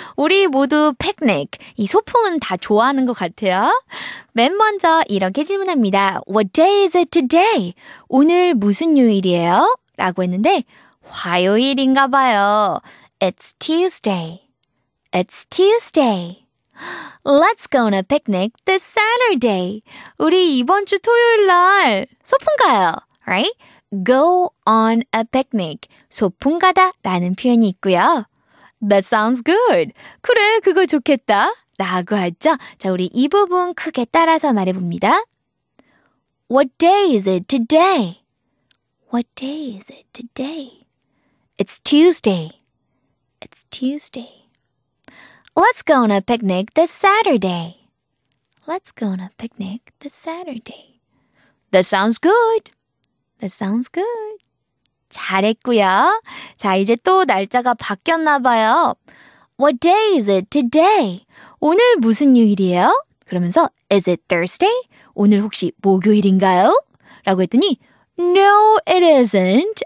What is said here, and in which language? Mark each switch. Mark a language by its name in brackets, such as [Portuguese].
[Korean] 우리 모두 picnic, 이 소풍은 다 좋아하는 것 같아요. 맨 먼저 이렇게 질문합니다. [English] What day is it today? [Korean] 오늘 무슨 요일이에요? 라고 했는데 화요일인가 봐요. [English] It's Tuesday. It's Tuesday. Let's go on a picnic this Saturday. [Korean] 우리 이번 주 토요일 날 소풍 가요. [English] Right? Go on a picnic. [Korean] 소풍 가다 라는 표현이 있고요. [English] That sounds good. [Korean] 그래, 그거 좋겠다. 라고 하죠. 자, 우리 이 부분 크게 따라서 말해봅니다. [English] What day is it today? What day is it today? It's Tuesday. It's Tuesday. Let's go on a picnic this Saturday. Let's go on a picnic this Saturday. That sounds good. That sounds good. [Korean] 잘했고요. 자, 이제 또 날짜가 바뀌었나 봐요. [English] What day is it today? [Korean] 오늘 무슨 요일이에요? 그러면서 [English] Is it Thursday? [Korean] 오늘 혹시 목요일인가요? 라고 했더니 [English] No, it isn't.